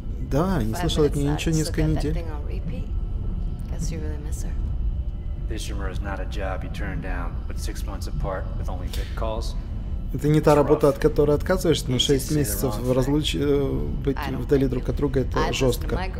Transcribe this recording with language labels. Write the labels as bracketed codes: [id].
[ru] Да, не слышал от нее ничего несколько недель. [en] Really Ishimura is not a job you turn down, but 6 months apart with only big calls. [ru] Это не та работа, от которой отказываешься, но 6 месяцев в разлуче быть вдали друг от друга — это жестко.